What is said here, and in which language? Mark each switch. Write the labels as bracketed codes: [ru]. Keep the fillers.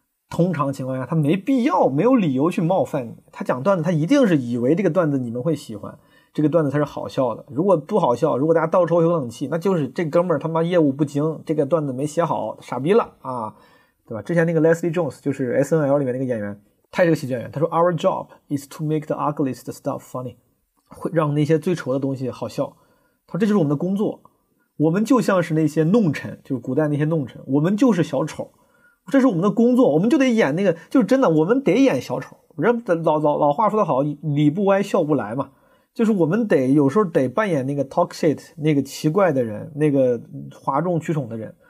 [zh] 通常情况下，他没必要、没有理由去冒犯你。他讲段子，他一定是以为这个段子你们会喜欢，这个段子才是好笑的。如果不好笑，如果大家到倒有冷气，那就是这哥们儿他妈业务不精，这个段子没写好，傻逼了啊，对吧？之前那个 Leslie Jones，就是 SNL 里面那个演员，他也是喜剧演员。他说：“ [en] Our job is to make the ugliest stuff funny， [zh] 会让那些最丑的东西好笑。 ”他说：“这就是我们的工作，我们就像是那些弄臣，就是古代那些弄臣，我们就是小丑。 ”这是我们的工作，我们就得演那个，就是真的，我们得演小丑。人老老老话说得好，理不歪笑不来嘛。就是我们得有时候得扮演那个 [en] talk shit [zh] 那个奇怪的人，那个哗众取宠的人。